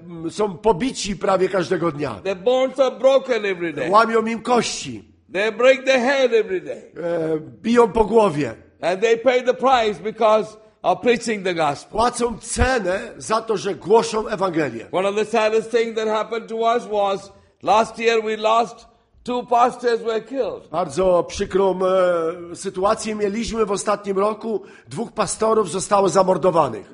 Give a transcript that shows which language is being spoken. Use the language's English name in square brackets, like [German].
[Polish] Są pobici prawie każdego dnia. [English] Their bones are broken every day. [Polish] Łamią im kości. [English] They break their head every day. [Polish] Biją po głowie. [English] And they pay the price because are preaching the gospel. [Polish] Płacą cenę za to, że głoszą Ewangelię. [English] One of the saddest things that happened to us was last year we lost two pastors were killed. [Polish] Bardzo przykrą sytuację mieliśmy w ostatnim roku. Dwóch pastorów zostało zamordowanych.